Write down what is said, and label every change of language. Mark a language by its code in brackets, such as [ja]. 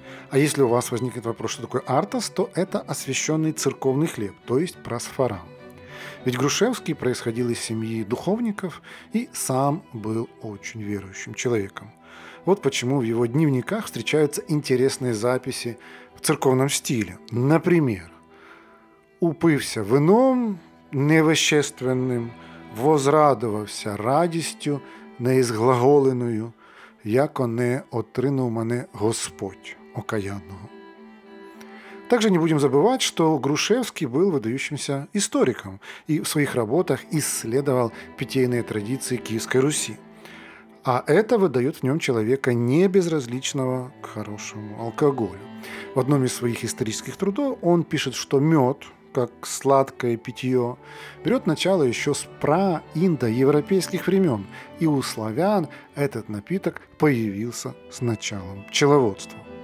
[ru] А если у вас возникнет вопрос, что такое артос, то это освященный церковный хлеб, то есть просфора. Ведь Грушевский происходил из семьи духовников и сам был очень верующим человеком. Вот почему в его дневниках встречаются интересные записи в церковном стиле. Например, [uk] «упився вином невещественным, возрадовався радістю неізглаголеною, яко не отринув мене Господь окаянного». [ru] Также не будем забывать, что Грушевский был выдающимся историком и в своих работах исследовал питейные традиции Киевской Руси. А это выдает в нем человека небезразличного к хорошему алкоголю. В одном из своих исторических трудов он пишет, что мед, как сладкое питье, берет начало еще с праиндоевропейских времен, и у славян этот напиток появился с началом пчеловодства.